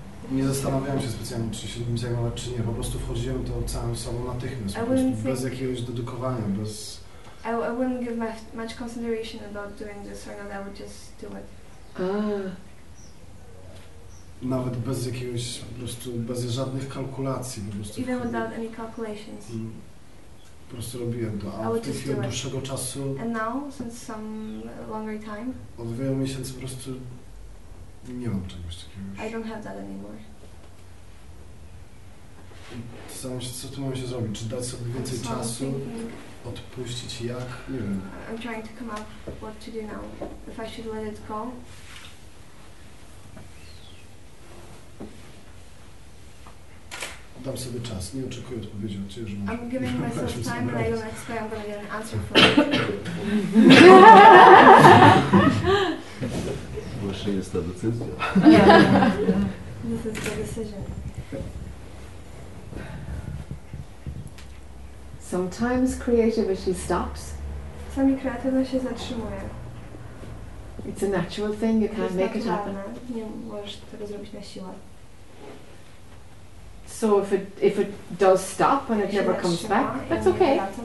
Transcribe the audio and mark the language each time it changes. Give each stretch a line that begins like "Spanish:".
Polish: Nie zastanawiałem się specjalnie, czy się nim zajmować, czy nie. Po prostu wchodziłem to całym sobą natychmiast, bez jakiegoś dedukowania, bez...
English: I wouldn't give much consideration about doing this or not, I would just do it.
Polish: Nawet bez jakiegoś, po prostu, bez żadnych kalkulacji, po prostu.
English: Even without any calculations.
Polish: Po prostu robiłem to, a w tej chwili od dłuższego czasu...
English: And now, since some longer time?
Polish: Od wielu miesięcy po prostu nie mam czegoś takiego.
English: I don't have that anymore.
Polish: Zastanawiam się, co tu mam się zrobić, czy dać sobie więcej czasu, odpuścić, jak, nie wiem.
English: I'm trying to come up what to do now, if I should let it go.
Polish: Dam sobie czas, nie oczekuję odpowiedzi od Ciebie, że
English: I'm giving myself time and I don't expect I'm going to get an answer for you.
Polish: Właśnie jest ta decyzja.
English: This is the decision. Sometimes creativity stops.
Polish: Czasami kreatywność się zatrzymuje.
English: It's a natural thing, you can't make it happen.
Polish: Nie możesz tego zrobić na siłę.
English: So if it does stop and it never comes back, that's okay.